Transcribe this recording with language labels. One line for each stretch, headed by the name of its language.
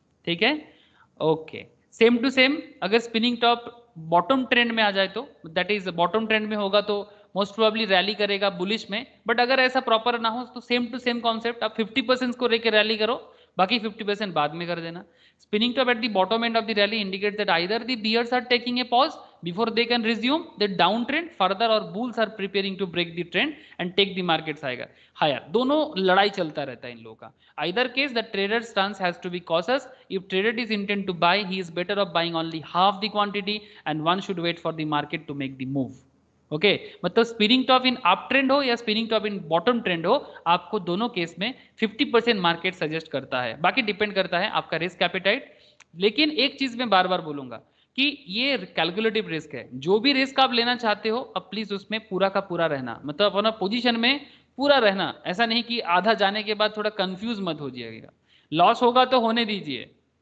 Hindi: ठीक है, okay, same to same अगर स्पिनिंग टॉप बॉटम ट्रेंड में आ जाए, तो दैट इज बॉटम ट्रेंड में होगा तो मोस्ट प्रोबेबली रैली करेगा बुलिश में, बट अगर ऐसा प्रॉपर ना हो तो सेम टू सेम कॉन्सेप्ट, आप 50% को लेकर रैली करो, बाकी 50% बाद में कर देना. Spinning top at the bottom end of the rally indicate that either the bears are taking a pause
English: before they can resume the downtrend further or bulls are preparing to break the trend and take the markets higher. Dono ladai chalta rehta hai in logo ka. Either case, the trader's stance has to be cautious. If trader is intent to buy, he is better off buying only half the quantity and one should wait for the market to make the move.
Hindi: Okay मतलब spinning top in up trend हो या spinning top in bottom trend हो आपको दोनों case में 50% market suggest करता है बाकी डिपेंड करता है आपका रिस्क कैपिटाइट लेकिन एक चीज मैं बार बार बोलूंगा कि ये कैलकुलेटिव रिस्क है जो भी रिस्क आप लेना चाहते हो अब प्लीज उसमें पूरा का पूरा रहना मतलब अपना पोजिशन में पूरा रहना ऐसा नहीं कि आधा जाने के बाद थोड़ा कन्फ्यूज मत हो जाएगा लॉस होगा तो होने दीजिए